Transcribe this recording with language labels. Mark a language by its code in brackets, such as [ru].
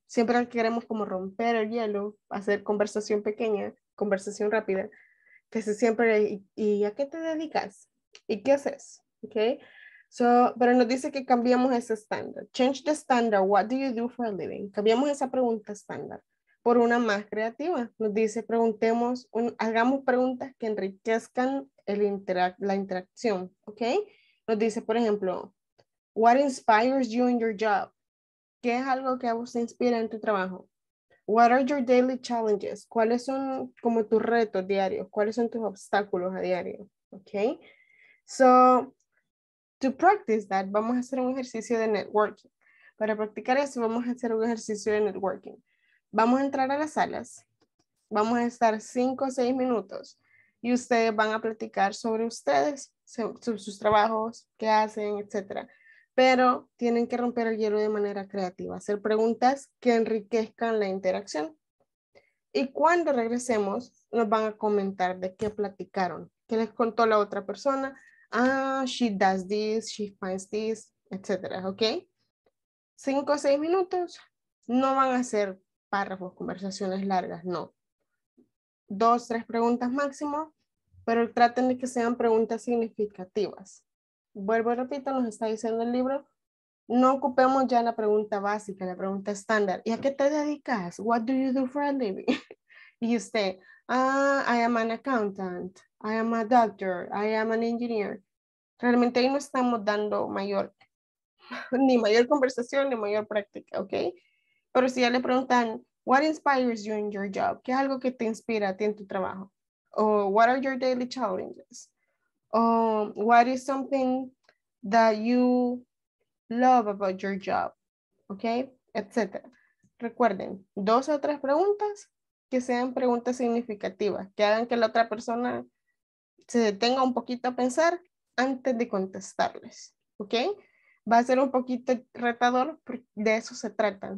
[es] Siempre queremos como romper el hielo, hacer conversación pequeña, conversación rápida, que se siempre, ¿y a qué te dedicas? ¿Y qué haces? Okay. So, pero nos dice que cambiamos ese estándar. [en] Change the standard, what do you do for a living? [es] Cambiamos esa pregunta estándar por una más creativa. Nos dice, preguntemos, hagamos preguntas que enriquezcan la interacción. Okay. Nos dice, por ejemplo, [en] what inspires you in your job? [es] ¿Qué es algo que a vos te inspira en tu trabajo? [en] What are your daily challenges? [es] ¿Cuáles son como tus retos diarios? ¿Cuáles son tus obstáculos a diario? Okay. [en] So, to practice that, [es] vamos a hacer un ejercicio de networking. Para practicar eso, vamos a hacer un ejercicio de networking. Vamos a entrar a las salas. Vamos a estar 5 o 6 minutos. Y ustedes van a platicar sobre ustedes, sus trabajos, qué hacen, etc. Pero tienen que romper el hielo de manera creativa, hacer preguntas que enriquezcan la interacción. Y cuando regresemos, nos van a comentar de qué platicaron, qué les contó la otra persona. [en] Ah, she does this, she finds this, etc. [es] ¿Ok? 5 o 6 minutos, no van a ser párrafos, conversaciones largas, no. 2, 3 preguntas máximo, pero traten de que sean preguntas significativas. Vuelvo y repito, nos está diciendo el libro, no ocupemos ya la pregunta básica, la pregunta estándar. ¿Y a qué te dedicas? [en] What do you do for a living? [es] Y usted, [en] I am an accountant, I am a doctor, I am an engineer. [es] Realmente ahí no estamos dando mayor, ni mayor conversación, ni mayor práctica, ¿ok? Pero si ya le preguntan, [en] what inspires you in your job? [es] ¿Qué es algo que te inspira a ti en tu trabajo? [en] O, what are your daily challenges? What is something that you love about your job? Okay, etc. [es] Recuerden, 2 o 3 preguntas que sean preguntas significativas, que hagan que la otra persona se detenga un poquito a pensar antes de contestarles. Okay, va a ser un poquito retador, de eso se trata.